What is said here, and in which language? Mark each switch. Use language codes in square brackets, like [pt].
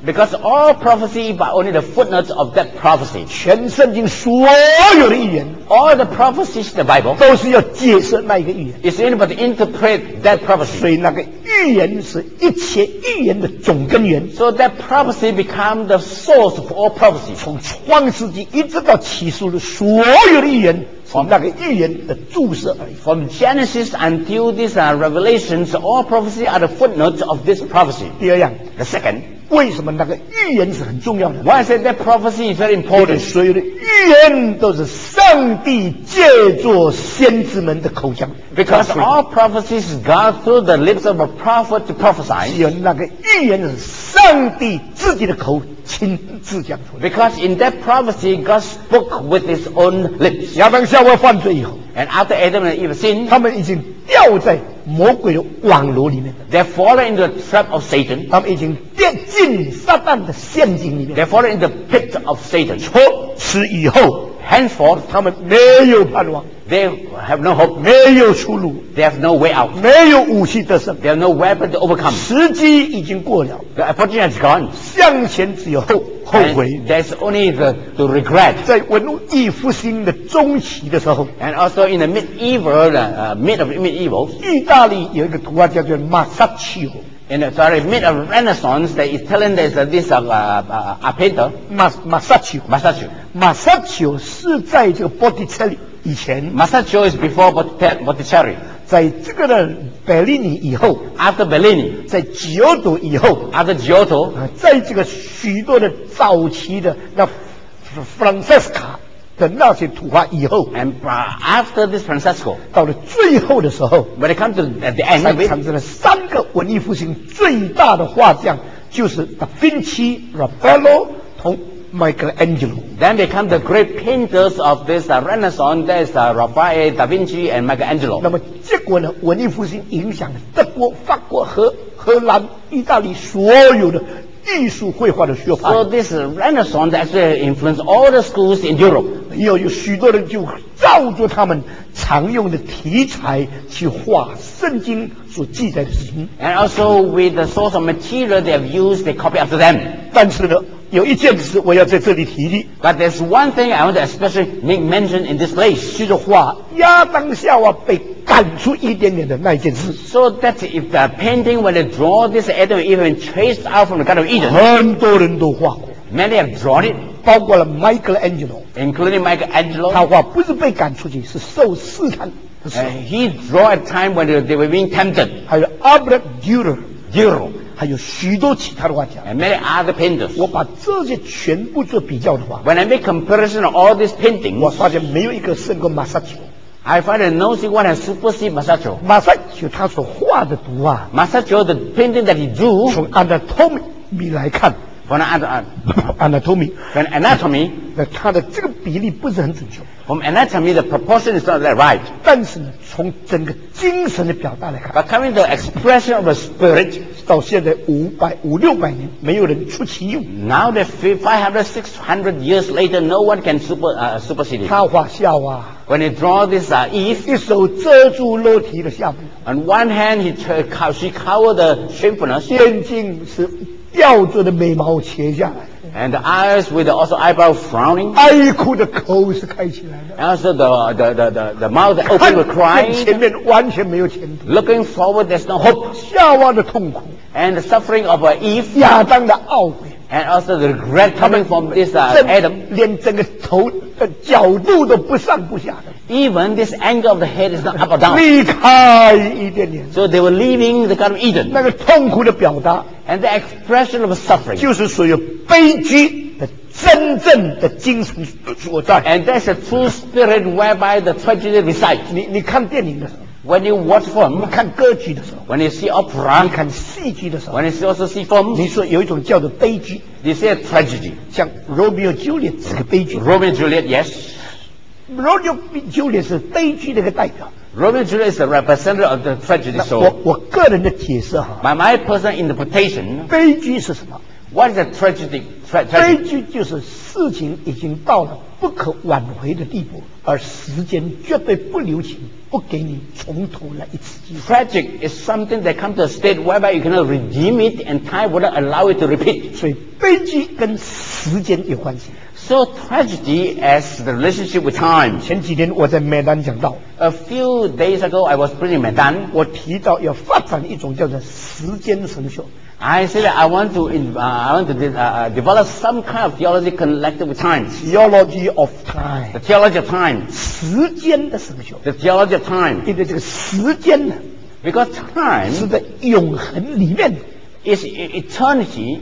[en] ，because all prophecy but only the footnotes of that prophecy. [zh] 全圣经所有的预言 [en] ，all the prophecies in the Bible [zh] 都是要解释那一个预言。 [en] It's only about to interpret that prophecy. [zh] 所以那个预言是一切预言的总根源。 [en] So that prophecy become the source of all prophecy. [zh] 从创世纪一直到启示录，所有的预言。从那个预言的注释而已。 [en] From Genesis until these are revelations, all prophecy are the footnotes of this prophecy. [zh] 第二样 [en] ，the second， [zh] 为什么那个预言是很重要的 [en] ？Why I said that prophecy is very important. [zh] 所有的预言都是上帝借着先知们的口讲。 [en] Because all prophecies God through the lips of a prophet to prophesy. [zh] 只有那个预言是上帝自己的口。亲自讲出来 [en] ，because in that prophecy God spoke with His own lips. [zh] 亚当夏娃犯罪以后 [en] ，and after Adam and Eve sinned， [zh] 他们已经掉在魔鬼的网罗里面。 [en] They fallen into the trap of Satan. [zh] 他们已经跌进撒旦的陷阱里面。 [en] They fallen into the pit of Satan. [zh] 从此以后 [en] ，henceforth， [zh] 他们没有盼望。 [en] They have no hope. [zh] 没有出路。 [en] They have no way out. [zh] 没有武器得胜。 [en] They have no weapon to overcome. [zh] 时机已经过了。 [en] The opportunity has gone. [zh] 向前只有后悔。 [en] And、there's only the regret. [zh] 在文艺复兴的中期的时候。 [en] And also in the medieval, mid of medieval. [zh] 意大利有一个图画叫做马萨奇奥。 [en] In the sorry, mid of Renaissance, the Italian there's this a painter. [zh] Masaccio. Masaccio 是在这个波提切利。以前 [en] Masaccio is before Botticelli [zh] 在这个的 Bellini 以后 [en] After Bellini [zh] 在 Giotto 以后 [en] After Giotto [zh] 在这个许多的早期的那 Francesca 的那些图画以后 [en] And after this Francesco [zh] 到了最后的时候 [en] When it comes to the end [zh] 才产生了三个文艺复兴最大的画匠就是 Da Vinci Raffaello 同Michelangelo. [en] Then become the great painters of this Renaissance. That's Raphael, Da Vinci, and Michelangelo. [zh] 那么结果呢？文艺复兴影响了德国、法国和荷兰、意大利所有的艺术绘画的学派。 [en] So this Renaissance actually influenced all the schools in Europe. [zh] 有许多人就照着他们常用的题材去画圣经所记载的事情。 [en] And also with the source of material they have used, they copy after them. [zh] 但是呢？有一件事我要在这里提的 [en] ，But there's one thing I want to especially make mention in this place， [zh] 就是画亚当夏娃被赶出伊甸园的那一件事。 [en] So that if the painting when they draw this Adam and Eve chased out from the Garden of Eden， [zh] 很多人都画过 [en] ，Many have drawn it， [zh] 包括了 Michelangelo， [en] including Michelangelo， [zh] 他画不是被赶出去，是受试探。 [en] He draw at time when they were being tempted。 [zh] 还有 Albert Durer， [en] Durer， [zh] 还有许多其他的画家。 [en] And many other painters。 [zh] 我把这些全部做比较的话 [en] ，When I make comparison of all these paintings， [zh] 我发现没有一个胜过 Masaccio。 [en] I find that no one has superseded Masaccio。 [zh] Masaccio 他所画的图啊 [en] ，Masaccio the painting that he drew， [zh] 从 anatomy 来看。 [en] From anatomy, from [zh] anatomy, 它的这个比例不是很准确。 [en] From anatomy, the proportion is not that right. [zh] 但是呢，从整个精神的表达来看 [en] ，But coming to the expression of the spirit, [zh] 到现在500-600年，没有人出其右。 [en] Now that 500-600 years later, no one can supersede it. [zh] 他画夏娃。 [en] When he draw this Eve, [zh] 一手遮住裸体的下部。 [en] On one hand, she covered the shamefulness. [zh] 眼睛是。吊着的眉毛切下来 [en] ，and the eyes with the also eyebrow frowning， [zh] 哀哭的口是开起来的 [en] ，and also the mouth open with crying， [zh] 看前面完全没有前途 [en] ，looking forward there's no hope， [zh] 夏娃的痛苦 [en] ，and the suffering of Eve， [zh] 亚当的懊悔 [en] ，and also the regret coming from this Adam， [zh] 连整个头的角度都不上不下的。 [en] Even this angle of the head is not up or down. [zh] 离开伊甸园。 [en] So they were leaving the Garden of Eden. [zh] 那个痛苦的表达。 [en] And the expression of suffering. [zh] 就是属于悲剧的真正的精神所在。 [en] And that's the true spirit whereby the tragedy resides. [zh] 你看电影的时候。 [en] When you watch film, [zh] 你看歌剧的时候。 [en] When you see opera, [zh] 你看戏剧的时候。 [en] When you also see film, [zh] 你说有一种叫做悲剧。 [en] You see a tragedy. [zh] 像 Romeo Juliet 是个悲剧。 [en] Romeo and Juliet, yes. [zh] Romeo and Juliet 是悲剧的一个代表。 [en] Romeo and Juliet is the representative of the tragedy. So, [zh] 我个人的解释哈。 [en] My personal interpretation. [zh] 悲剧是什么 [en] ？What is a tragedy? [zh] 悲剧就是事情已经到了不可挽回的地步，而时间绝对不留情，不给你重头来一次机会。 [en] Tragic is something that comes to a state whereby you cannot redeem it, and time will not allow it to repeat. [zh] 所以悲剧跟时间有关系。 [en] So tragedy as the relationship with time. [zh] 前几天我在麦丹讲到。 [en] A few days ago, I was preaching in Medan. [zh] 我提到要发展一种叫做时间神学。 [en] I said that I want to develop some kind of theology connected with time. Theology of time. The theology of time. [zh] 时间的神学。 [en] The theology of time. [zh] 因为这个时间呢 [en] ，because time [zh] 是在永恒里面。 [en] Is eternity